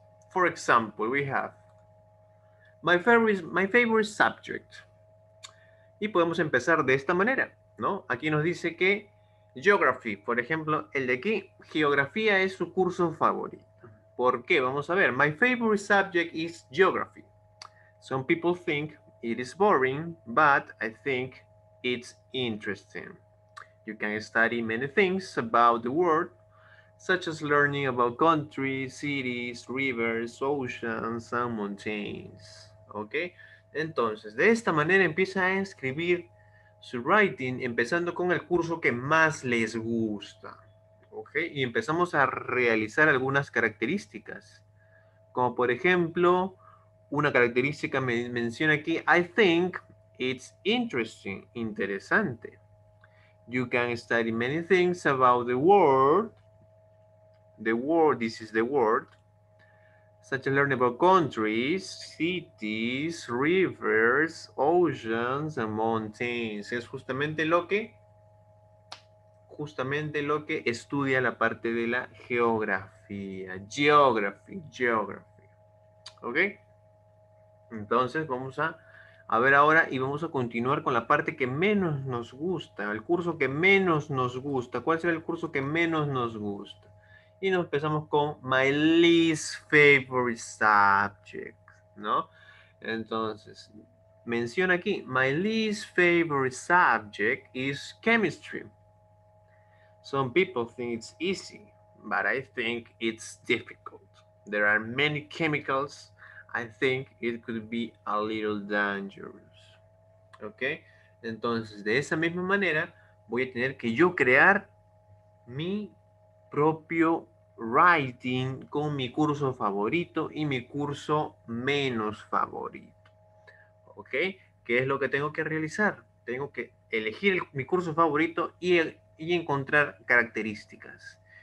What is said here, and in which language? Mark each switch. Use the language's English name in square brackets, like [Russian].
[English] For example, we have my favorite subject. [Spanish] Y podemos empezar de esta manera, ¿no? Aquí nos dice que geography, por ejemplo, el de aquí, geografía es su curso favorito. ¿Por qué? Vamos a ver. [English] My favorite subject is geography. Some people think it is boring, but I think it's interesting. You can study many things about the world, such as learning about countries, cities, rivers, oceans, and mountains. [Spanish] ¿Ok? Entonces, de esta manera empieza a escribir su writing, empezando con el curso que más les gusta. Okay, y empezamos a realizar algunas características. Como por ejemplo, una característica me menciona aquí, [English] I think it's interesting, [Spanish] interesante. [English] You can study many things about the world. The world, this is the world. Such as learning about countries, cities, rivers, oceans, and mountains. [Spanish] Es justamente lo que estudia la parte de la geografía. Geography, geography. ¿Ok? Entonces vamos a ver ahora y vamos a continuar con la parte que menos nos gusta. El curso que menos nos gusta. ¿Cuál será el curso que menos nos gusta? Y nos empezamos con [English] my least favorite subject. [Spanish] ¿No? Entonces, menciona aquí, [English] my least favorite subject is chemistry. Some people think it's easy, but I think it's difficult. There are many chemicals. I think it could be a little dangerous. [Spanish] ¿Ok? Entonces, de esa misma manera, voy a tener que yo crear mi propio writing con mi curso favorito y mi curso menos favorito. ¿Ok? ¿Qué es lo que tengo que realizar? Tengo que elegir mi curso favorito y encontrar características.